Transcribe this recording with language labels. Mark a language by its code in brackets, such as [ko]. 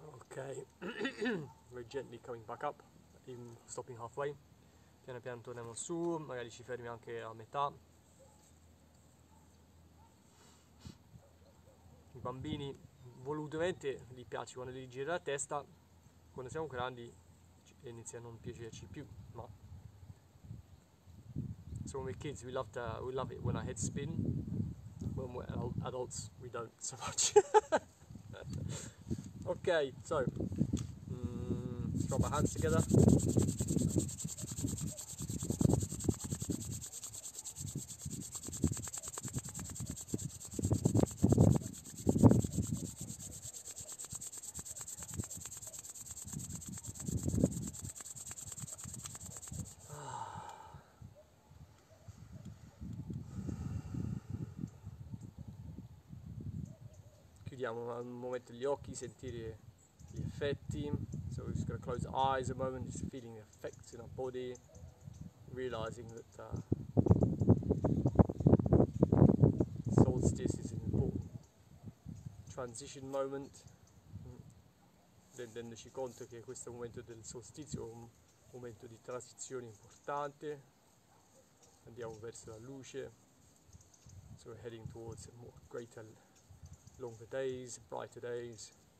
[en] Okay, we're gently coming back up, even stopping halfway. [it] Piano piano torniamo su, magari ci fermi anche a metà. I bambini volutamente gli piace quando gli gira la testa, quando siamo grandi inizia a non piacerci più, ma [en] so when we're kids we love to, we love it when our heads spin. When we're adults we don't so much. Okay, so let's drop our hands together. [it] Chiudiamo un momento gli occhi, sentire gli effetti. [en] So we're just gonna close the eyes a moment, just feeling the effects in our body, realizing that solstice is an important transition moment. [it] Rendendoci conto che questo è un momento del solstizio, un momento di transizione importante. Andiamo verso la luce. [en] So we're heading towards a more greater, longer days, brighter days.